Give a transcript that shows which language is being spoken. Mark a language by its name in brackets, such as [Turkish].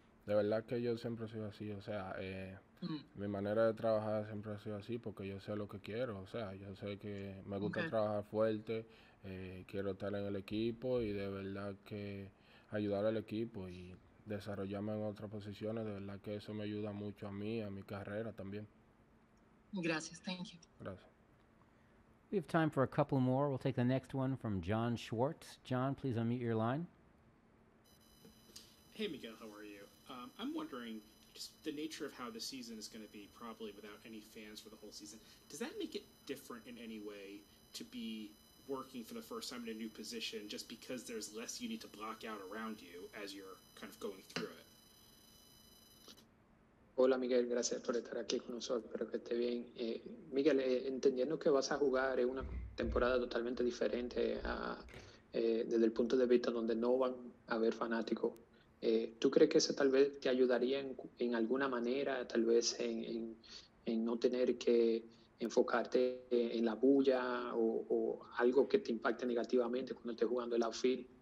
[Spanish] De verdad que yo siempre he sido así, o sea, mi manera de trabajar siempre ha sido así porque yo sé lo que quiero, o sea, yo sé que me gusta trabajar fuerte, quiero estar en el equipo y de verdad que ayudar al equipo y desarrollarme en otras posiciones, de verdad que eso me ayuda mucho a mí, a mi carrera también. Gracias, [English] thank you. [Spanish] Gracias. [English] We have time for a couple more. We'll take the next one from John Schwartz. John, please unmute your line. Hey, Miguel, how are you? I'm wondering just the nature of how the season is going to be, probably without any fans for the whole season. Does that make it different in any way to be working for the first time in a new position just because there's less you need to block out around you as you're kind of going through it? [Spanish] Hola Miguel, gracias por estar aquí con nosotros, espero que esté bien. Miguel, entendiendo que vas a jugar una temporada totalmente diferente desde el punto de vista donde no van a haber fanáticos, ¿tú crees que eso tal vez te ayudaría en alguna manera, tal vez en no tener que enfocarte en la bulla o algo que te impacte negativamente cuando estés jugando el outfield?